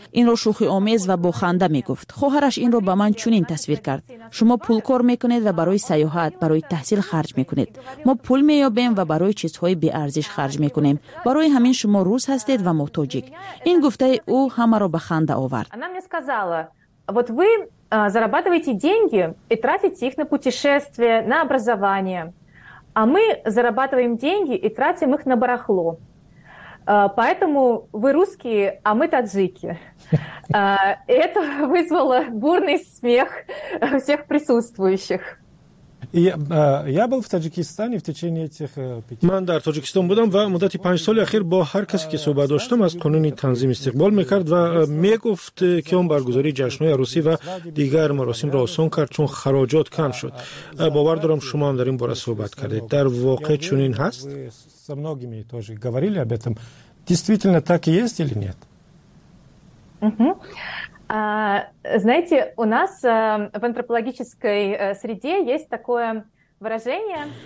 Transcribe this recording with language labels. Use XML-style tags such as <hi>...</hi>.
<fa>این را شوخی آمیز و بخنده می گفت. خواهرش این را به من چنین تصویر کرد. شما پول کار می کنید و برای سیاحت، برای تحصیل خرج می کنید. ما پول می یابیم و برای چیزهای بی ارزش خرج می کنیم. برای همین شما روس هستید و محتاجیک. این گفته او همه را به خنده آورد.</fa> <ru>Она мне сказала: "Вот вы зарабатываете деньги и тратите их на путешествия, на образование. А мы зарабатываем деньги и тратим их на барахло. Поэтому вы русские, а мы таджики". Это вызвало бурный смех всех присутствующих. Я был в Таджикистане в течение этих 5</ru> <tg>Ман дар Таджикистан будам ва муддати 5 соли ахир бо ҳар касе ки суҳбат доштам аз қонуни танзим истиқбол мекард ва мегуфт ки он баргузори ҷашнҳои арусӣ ва дигар маросимро осон кард чун хароҷот кам шуд. Бовар дорам шумо ҳам дар ин бора суҳбат кардед. Дар воқеъ чунин ҳаст?</tg> <ru>Со многими тоже говорили об этом. Действительно так и есть или нет? Знаете, у нас в антропологической среде есть такое выражение.</ru>